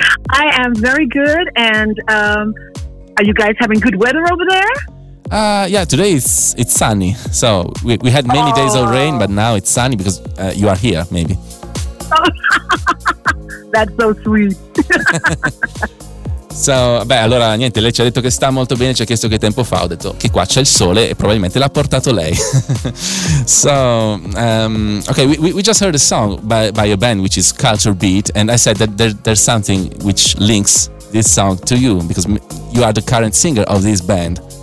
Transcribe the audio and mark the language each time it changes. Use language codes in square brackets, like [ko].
[en] I am very good, and are you guys having good weather over there? Yeah, today it's sunny. So we had many days of rain, but now it's sunny because you are here, maybe. That's so sweet. [it] So, beh, allora niente, lei ci ha detto che sta molto bene, ci ha chiesto che tempo fa, ho detto che qua c'è il sole e probabilmente l'ha portato lei. [en] So, okay, we just heard a song by a band which is Culture Beat, and I said that there's something which links this song to you because you are the current singer of this band.